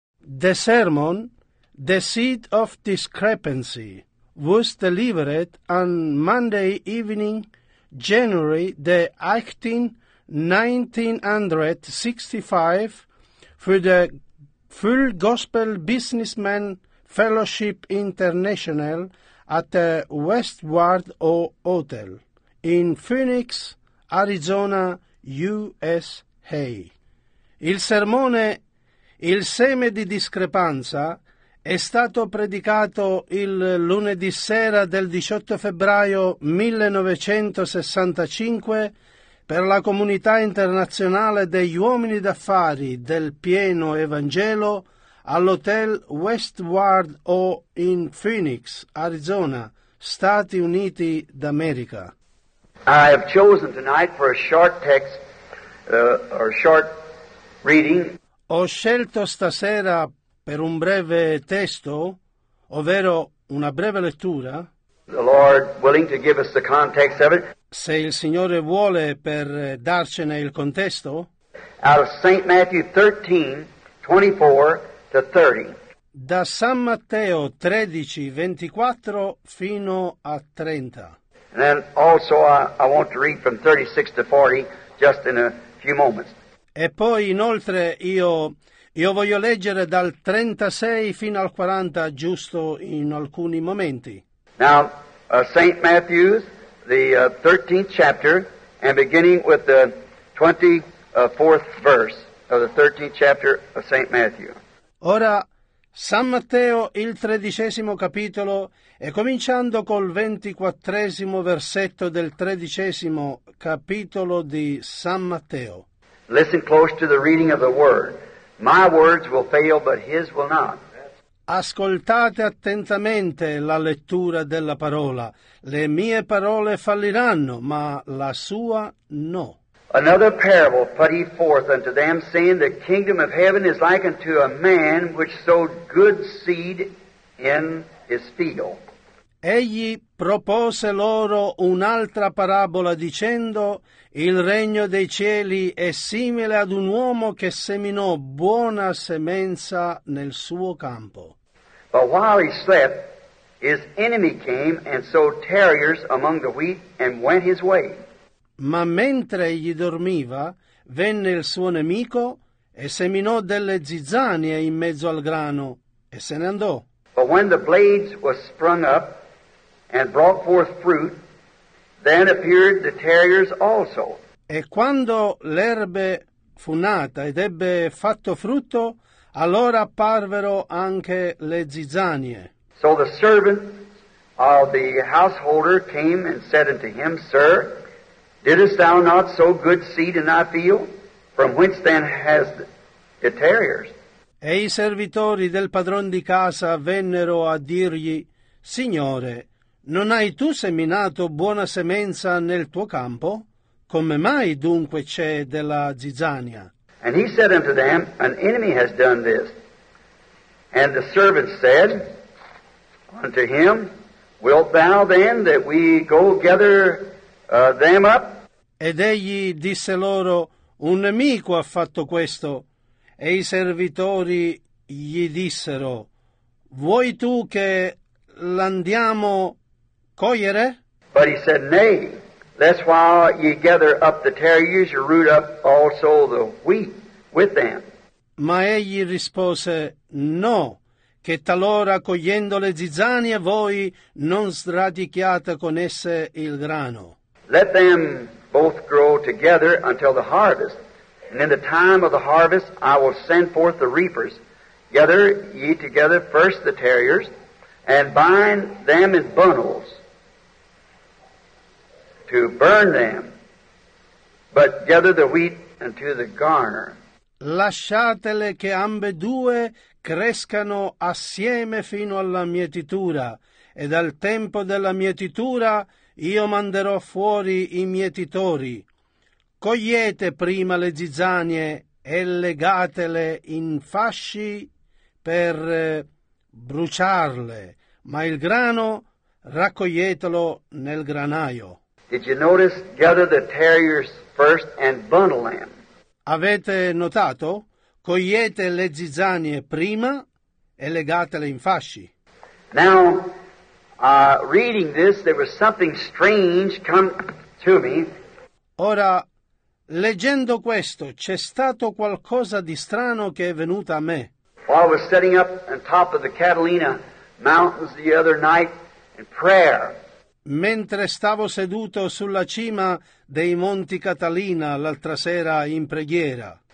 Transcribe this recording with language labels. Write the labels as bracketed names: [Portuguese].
[English] The sermon, The Seed of Discrepancy, was delivered on Monday evening, January the 18, 1965, for the Full Gospel Businessman Fellowship International at the Westward O Hotel in Phoenix, Arizona, USA. [Italian] Il sermone Il seme di discrepanza è stato predicato il lunedì sera del 18 febbraio 1965 per la comunità internazionale degli uomini d'affari del pieno Evangelo all'Hotel Westward O in Phoenix, Arizona, Stati Uniti d'America. [English] I have chosen tonight for a short text or short reading. [Italian] Ho scelto stasera per un breve testo, ovvero una breve lettura. [English] The Lord willing to give us the context of it. [Italian] Se il Signore vuole per darcene il contesto. [English] Out of St. Matthew 13, 24 to 30. [Italian] Da San Matteo 13, 24 fino a 30. [English] And then also I want to read from 36 to 40 just in a few moments. [Italian] E poi inoltre io voglio leggere dal 36 fino al 40 giusto in alcuni momenti. [English] Now, St. Matthew's, the 13th chapter, and beginning with the 24th verse of the 13th chapter of St. Matthew. [Italian] Ora, San Matteo, il 13° capitolo, e cominciando col 24° versetto del 13° capitolo di San Matteo. [English] Listen close to the reading of the word. My words will fail, but his will not. [Italian] Ascoltate attentamente la lettura della parola. Le mie parole falliranno, ma la sua no. [English] Another parable put he forth unto them, saying, The kingdom of heaven is like unto a man which sowed good seed in his field. [Italian] Egli propose loro un'altra parabola dicendo, Il regno dei cieli è simile ad un uomo che seminò buona semenza nel suo campo. [English] But while he slept, his enemy came and sowed tares among the wheat and went his way. [Italian] Ma mentre egli dormiva, venne il suo nemico e seminò delle zizzanie in mezzo al grano e se ne andò. [English] But when the blades were sprung up, and brought forth fruit, then appeared the tares also. [Italian] E quando l'erbe fu nata ed ebbe fatto frutto, allora apparvero anche le zizzanie. [English] So the servant of the householder came and said unto him, Sir, didst thou not sow good seed in thy field? From whence then has the tares? [Italian] E i servitori del padron di casa vennero a dirgli, Signore, Non hai tu seminato buona semenza nel tuo campo? Come mai dunque c'è della zizzania? [English] And he said unto them, An enemy has done this. And the servant said unto him, Wilt thou then that we go gather them up? [Italian] Ed egli disse loro, Un nemico ha fatto questo. E i servitori gli dissero, Vuoi tu che l'andiamo Cogliere? [English] But he said, Nay, lest while ye gather up the tares, you root up also the wheat with them. [Italian] Ma egli rispose, No, che talora cogliendo le zizzanie voi non sradichiate con esse il grano. [English] Let them both grow together until the harvest, and in the time of the harvest I will send forth the reapers. Gather ye together first the tares, and bind them in bundles. To burn them, but gather the wheat into the garner. [Italian] Lasciatele che ambedue crescano assieme fino alla mietitura, ed al tempo della mietitura io manderò fuori i mietitori. Cogliete prima le zizzanie e legatele in fasci per bruciarle, ma il grano raccoglietelo nel granaio. [English] Did you notice, gather the tares first and bundle them. [Italian] Avete notato? Cogliete le zizzanie prima e legatele in fasci. [English] Now, reading this, there was something strange come to me. [Italian] Ora, leggendo questo, c'è stato qualcosa di strano che è venuto a me. [English] While I was sitting up on top of the Catalina Mountains the other night in prayer. [Italian] Mentre stavo seduto sulla cima dei Monti Catalina l'altra sera in preghiera.